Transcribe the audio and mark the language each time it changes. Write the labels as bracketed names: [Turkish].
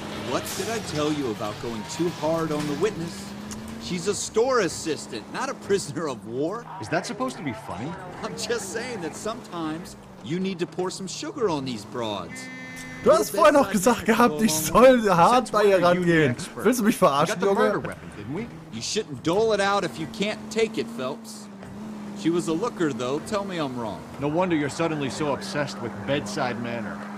[English] What did I tell you about going too hard on the witness? She's a store assistant, not a prisoner of war. Is that supposed to be funny? I'm just saying that sometimes you need to pour some sugar on these broads. [German] Du hast vorher noch gesagt gehabt, ich soll hart bei ihr rangehen. Willst du mich verarschen, Junge? [English] Murder weapon, didn't we? You shouldn't dole it out if you can't take it, Phelps. She was a looker, though. Tell me I'm wrong. No wonder you're suddenly so obsessed with bedside manner.